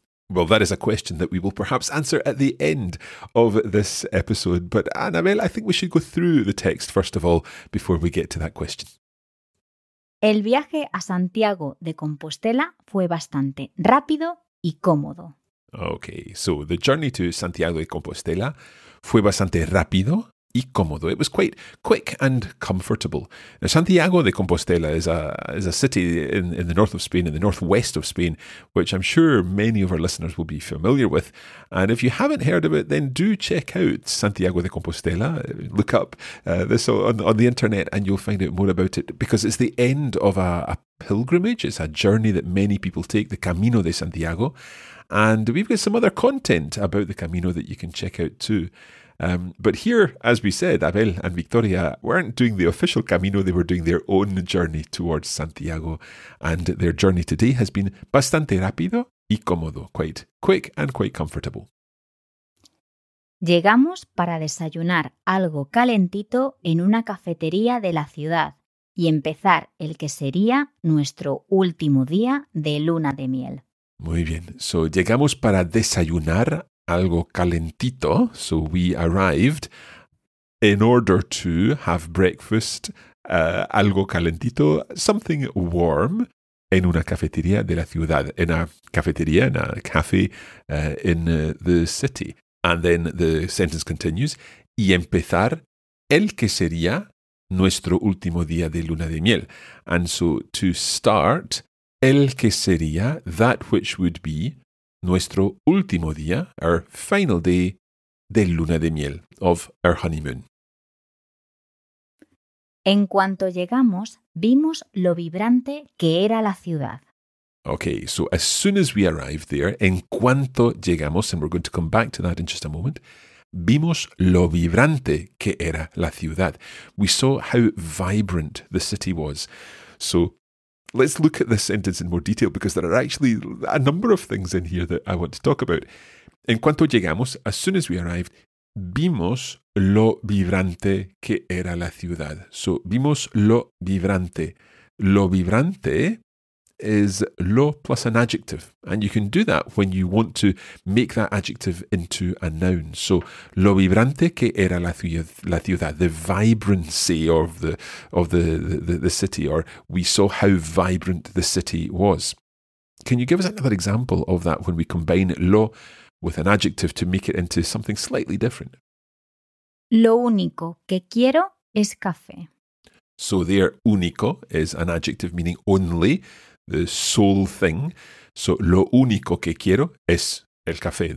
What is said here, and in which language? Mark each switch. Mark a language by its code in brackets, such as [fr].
[en] Well, that is a question that we will perhaps answer at the end of this episode. But Anabel, I think we should go through the text first of all before we get to that question. [es] El viaje a Santiago de Compostela fue bastante rápido y cómodo. [en] Okay, so the journey to Santiago de Compostela [es] fue bastante rápido y cómodo. [en] It was quite quick and comfortable. Now, Santiago de Compostela is a city in the north of Spain, in the northwest of Spain, which I'm sure many of our listeners will be familiar with. And if you haven't heard of it, then do check out Santiago de Compostela. Look up this on the internet and you'll find out more about it, because it's the end of a pilgrimage. It's a journey that many people take, the Camino de Santiago. And we've got some other content about the Camino that you can check out too. But here, as we said, Abel and Victoria weren't doing the official Camino. They were doing their own journey towards Santiago. And their journey today has been [es] bastante rápido y cómodo, [en] quite quick and quite comfortable. [es] Llegamos para desayunar algo calentito en una cafetería de la ciudad y empezar el que sería nuestro último día de luna de miel. Muy bien. So, llegamos para desayunar algo calentito. [en] So, we arrived in order to have breakfast, [es] algo calentito, [en] something warm, [es] en una cafetería de la ciudad. En a cafetería, [en] in a cafe in the city. And then the sentence continues. [es] Y empezar el que sería nuestro último día de luna de miel. [en] And so, to start, [es] el que sería, [en] that which would be, [es] nuestro último día, [en] our final day, [es] de luna de miel, [en] of our honeymoon. [es] En cuanto llegamos, vimos lo vibrante que era la ciudad. [en] Okay, so as soon as we arrived there, [es] en cuanto llegamos, [en] and we're going to come back to that in just a moment, [es] vimos lo vibrante que era la ciudad. [en] We saw how vibrant the city was. So, let's look at this sentence in more detail, because there are actually a number of things in here that I want to talk about. [es] En cuanto llegamos, [en] as soon as we arrived, [es] vimos lo vibrante que era la ciudad. [en] So, [es] vimos lo vibrante. [en] Lo vibrante is lo plus an adjective. And you can do that when you want to make that adjective into a noun. So, [es] lo vibrante que era la ciudad, [en] the vibrancy of the city, or we saw how vibrant the city was. Can you give us another example of that when we combine lo with an adjective to make it into something slightly different? [es] Lo único que quiero es café. [en] So there, único is an adjective meaning only, the sole thing. [es] So, lo único que quiero es el café.